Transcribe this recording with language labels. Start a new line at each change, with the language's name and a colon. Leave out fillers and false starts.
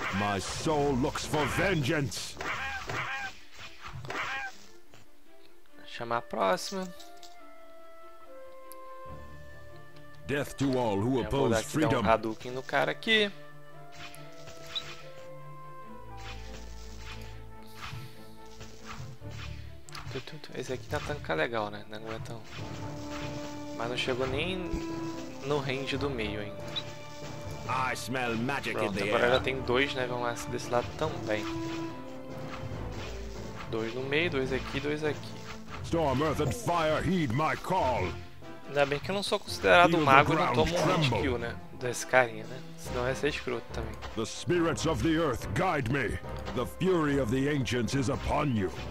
English: My soul looks for vengeance.
Portuguese: Chamar a próxima.
English: Death to all who oppose freedom.
Portuguese: Vou dar um Hadouken no cara aqui. Esse aqui tá tanca legal, né? Não aguentam. Mas não chegou nem no range do meio ainda.
English: I smell magic.
Portuguese: Pronto,
English: in the
Portuguese: agora
English: air.
Portuguese: Já tem dois level mass desse lado também. Dois no meio, dois aqui, dois aqui.
English: Storm, earth and fire, heed my call.
Portuguese: Ainda bem que eu não sou considerado um mago e não tomo um hit kill, né? Desse carinha, né? Senão ia ser escroto também.
English: The spirits of the earth guide me. The fury of the ancients is upon you.